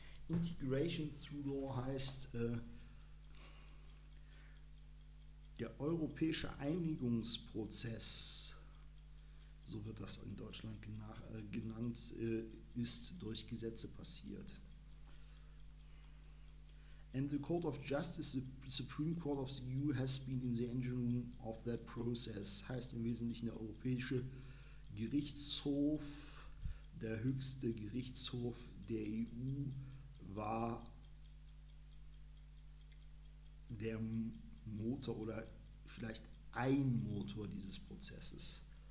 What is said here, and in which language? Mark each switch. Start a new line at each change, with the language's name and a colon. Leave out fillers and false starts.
English: Integration through law
German: heißt, der europäische Einigungsprozess, so wird das in Deutschland genannt, ist durch Gesetze passiert.
English: And the Court of Justice, the Supreme Court of the EU, has been in the engine room of that process.
German: Heißt im Wesentlichen der Europäische Gerichtshof, der höchste Gerichtshof der EU, war der Motor oder vielleicht ein Motor dieses Prozesses.